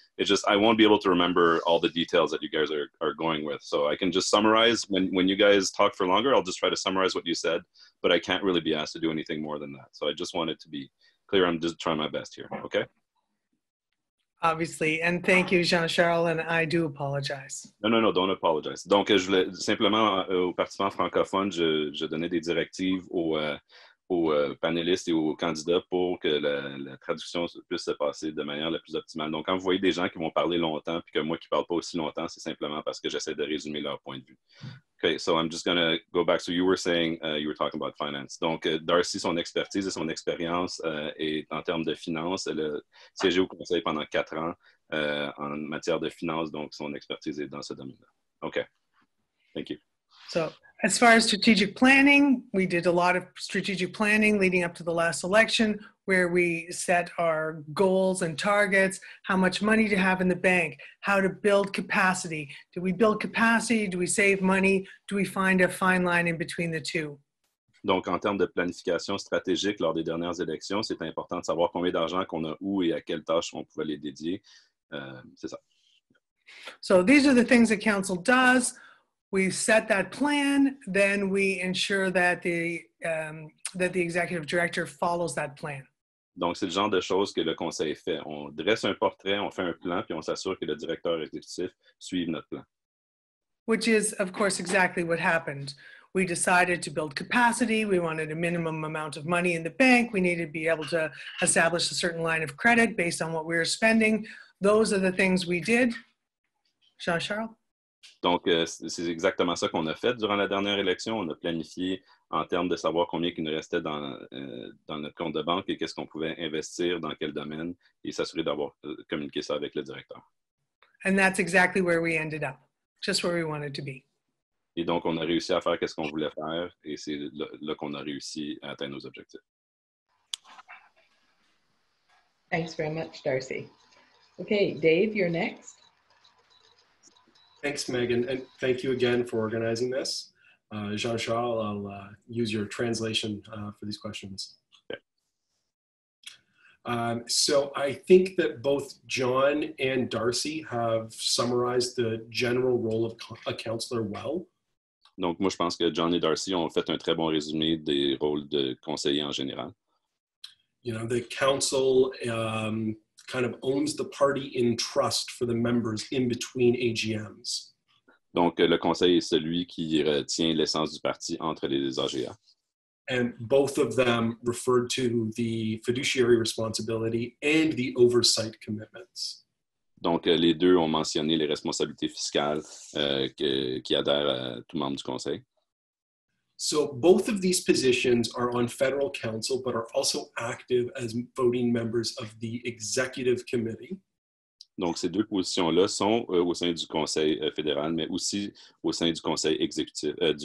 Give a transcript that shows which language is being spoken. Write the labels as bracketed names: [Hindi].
[English] It's just I won't be able to remember all the details that you guys are going with. So I can just summarize. When you guys talk for longer, I'll just try to summarize what you said, but I can't really be asked to do anything more than that. So I just wanted to be clear. I'm just trying my best here. Okay. Obviously, and thank you, Jean-Charles, and I do apologize. No, don't apologize. [French] Donc, je voulais simplement aux participants francophones, je donnais des directives aux panélistes et aux candidats pour que la traduction puisse se passer de manière la plus optimale. Donc, quand vous voyez des gens qui vont parler longtemps puis que moi qui ne parle pas aussi longtemps, c'est simplement parce que j'essaie de résumer leur point de vue. [English] Okay, so I'm just going to go back. So you were talking about finance. [French] Donc, Darcy, son expertise et son expérience est en termes de finances. Elle a siégé au conseil pendant 4 ans en matière de finances. Donc, son expertise est dans ce domaine-là. [English] Okay. Thank you. So, as far as strategic planning, we did a lot of strategic planning leading up to the last election, where we set our goals and targets, how much money to have in the bank, how to build capacity. Do we build capacity? Do we save money? Do we find a fine line in between the two? [French] Donc, en termes de planification stratégique lors des dernières élections, c'est important de savoir combien d'argent qu'on a où et à quelles tâches on pouvait les dédier. C'est ça. [English] So, these are the things that council does. We set that plan, then we ensure that the executive director follows that plan. [French] Donc, c'est le genre de choses que le conseil fait. On dresse un portrait, on fait un plan, puis on s'assure que le directeur exécutif suive notre plan. [English] Which is, of course, exactly what happened. We decided to build capacity. We wanted a minimum amount of money in the bank. We needed to be able to establish a certain line of credit based on what we were spending. Those are the things we did. Jean-Charles? [French] Donc, c'est exactement ça qu'on a fait durant la dernière élection. On a planifié en termes de savoir combien il nous restait dans notre compte de banque et qu'est-ce qu'on pouvait investir dans quel domaine et s'assurer d'avoir communiqué ça avec le directeur. [English] And that's exactly where we ended up, just where we wanted to be. [French] Et donc, on a réussi à faire qu'est-ce qu'on voulait faire et c'est là qu'on a réussi à atteindre nos objectifs. [English] Thanks very much, Darcy. Okay, Dave, you're next. Thanks, Megan, and thank you again for organizing this. Jean-Charles, I'll use your translation for these questions. Okay. So I think that both John and Darcy have summarized the general role of a counselor well. [French] Donc moi, je pense que John et Darcy ont fait un très bon résumé des rôles de conseiller en général. [English] You know, the council kind of owns the party in trust for the members in between AGMs. [French] Donc, le conseil est celui qui retient l'essence du parti entre les AGA. [English] And both of them referred to the fiduciary responsibility and the oversight commitments. [French] Donc, les deux ont mentionné les responsabilités fiscales qui adhèrent à tout membre du conseil. [English] So both of these positions are on federal council, but are also active as voting members of the executive committee. [French] Donc, ces deux positions-là sont au sein du conseil fédéral, mais aussi au sein du conseil exécutif.